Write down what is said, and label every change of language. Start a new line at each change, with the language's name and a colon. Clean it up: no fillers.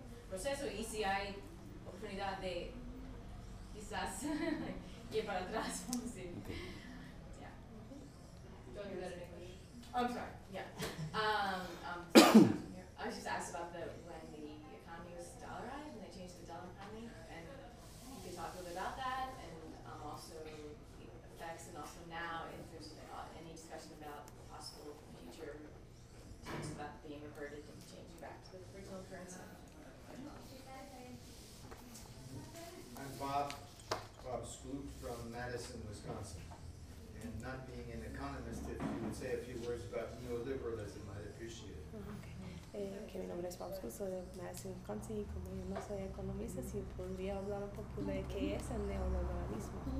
Spanish: Proceso y si hay oportunidad de quizás ir para atrás, vamos a decir.
English: Yeah. Don't do that in English. I'm sorry. Yeah. I was just asked about when the economy was dollarized and they changed the dollar economy, and you can talk a little bit about that, and also effects, and also now if there's any discussion about the possible future change about being reverted and changing back to the original currency. Bob Scoop from Madison, Wisconsin. And not being an economist, if you would say a few words about neoliberalism, I'd appreciate it.
Spanish: Okay, mi nombre es Bob Scoop, soy de Madison, Wisconsin, y como yo no soy economista, si podría hablar un poco de qué es el neoliberalismo.